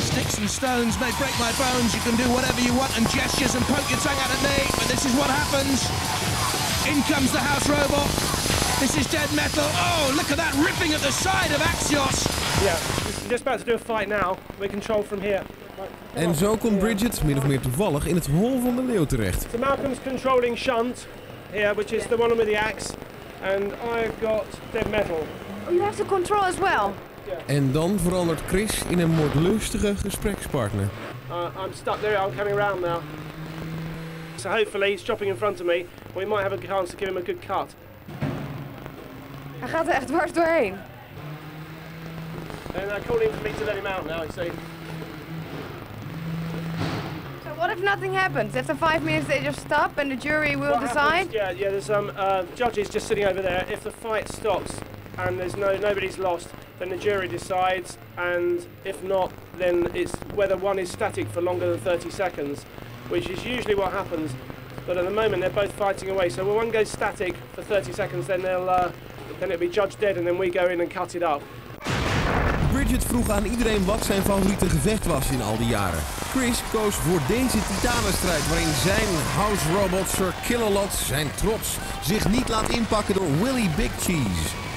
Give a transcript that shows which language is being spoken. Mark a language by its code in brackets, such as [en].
[en] Sticks and stones may break my bones. You can do whatever you want and gestures and poke your tongue out at me, but this is what happens. In comes the house robot. This is dead metal. Oh, look at that ripping at the side of Axios. Yeah, we're just about to do a fight now. We're controlled from here. [nl] En zo komt Bridget, min of meer toevallig, in het hol van de leeuw terecht. [en] So Malcolm's controlling shunt here, which is the one with the axe. And I've got dead metal. You have to control as well. [nl] En dan verandert Chris in een moordlustige gesprekspartner. [en] I'm stuck there, I'm coming around now. So hopefully he's chopping in front of me. We might have a chance to give him a good cut. [nl] Hij gaat er echt dwars doorheen. [en] And I call him for me to let him out now, you see. What if nothing happens? After 5 minutes they just stop and the jury will what decide? Happens, yeah, there's some judges just sitting over there. If the fight stops and there's nobody's lost, then the jury decides. And if not, then it's whether one is static for longer than 30 seconds, which is usually what happens. But at the moment they're both fighting away. So when one goes static for 30 seconds, then it'll be judged dead and then we go in and cut it up. [nl] Bridget vroeg aan iedereen wat zijn favoriete gevecht was in al die jaren. Chris koos voor deze titanenstrijd waarin zijn house robot Sir Killalot, zijn trots, zich niet laat inpakken door Willy Big Cheese.